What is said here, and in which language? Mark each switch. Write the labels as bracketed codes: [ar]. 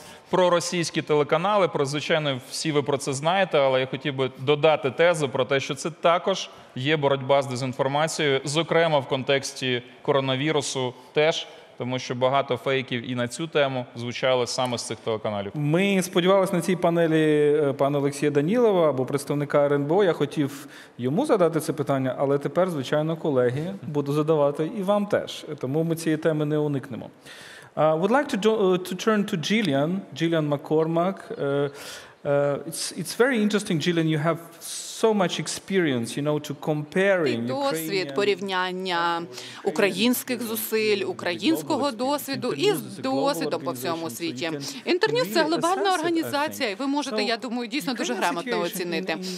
[uk] Про російські телеканали, про, звичайно, всі ви про це знаєте, але я хотів би додати тезу про те, що це також є боротьба з дезінформацією, зокрема в контексті коронавірусу теж, тому що багато фейків і на цю тему звучало саме з цих телеканалів. Ми сподівалися на цій панелі пана Олексія Данілова або представника РНБО, я хотів йому задати це питання, але тепер, звичайно, колеги, буду задавати і вам теж, тому ми цієї теми не уникнемо. [en] Would like to turn to Gillian McCormack. It's very interesting, Gillian, you have so much experience, to comparing [uk] досвід порівняння українських зусиль, українського досвіду і з досвідом по всьому світі. Інтерньюс – це глобальна організація, і ви можете, я думаю, дійсно дуже грамотно оцінити.